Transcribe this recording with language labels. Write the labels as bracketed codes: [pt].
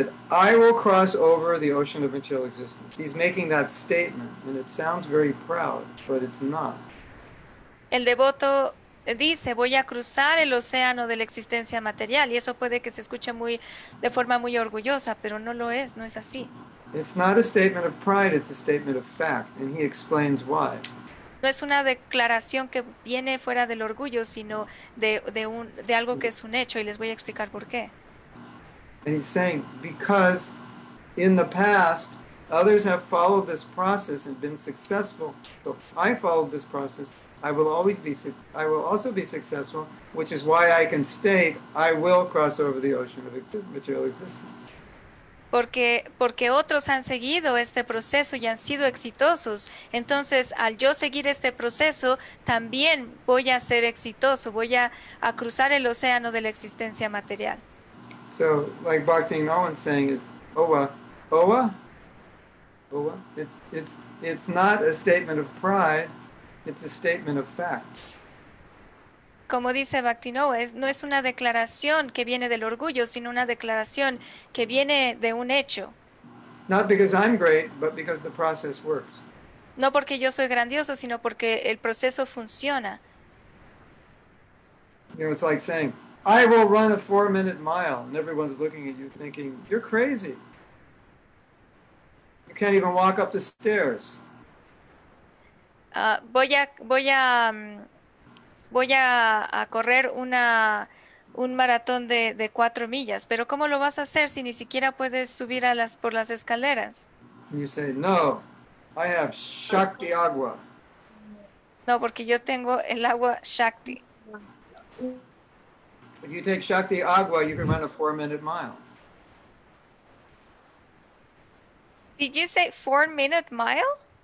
[en] I will cross over the ocean of material existence. He's making that statement, and it sounds very proud, but it's not. [es] El devoto dice, voy a cruzar el océano de la existencia material, y eso puede que se escuche muy, de forma muy orgullosa, pero no lo es, no es así. [en] It's not a statement of pride, it's a statement of fact, and he explains why. [es] No es una declaración que viene fuera del orgullo, sino de algo que es un hecho, y les voy a explicar por qué. [en] And he's saying, because in the past, others have followed this process and been successful. So if I followed this process, I will also be successful, which is why I can state, I will cross over the ocean of material existence. [es] Porque otros han seguido este proceso y han sido exitosos. Entonces, al yo seguir este proceso, también voy a ser exitoso. Voy a cruzar el océano de la existencia material. [en] So, like Bhakti Nguyen saying it, Owa, it's not a statement of pride, it's a statement of fact. [es] Como dice Bhakti Nguyen, no es una declaración que viene del orgullo, sino una declaración que viene de un hecho. [en] Not because I'm great, but because the process works. [es] No porque yo soy grandioso, sino porque el proceso funciona. [en] You know, it's like saying, I will run a 4-minute mile, and everyone's looking at you thinking, you're crazy. You can't even walk up the stairs. [es] Voy a correr un maratón de 4 millas, pero ¿cómo lo vas a hacer si ni siquiera puedes subir por las escaleras? [en] And you say, no, I have Shakti agua. [es] No, porque yo tengo el agua Shakti. [en] If you take Shakti Agua, you can run a 4-minute mile. Did you say 4-minute mile?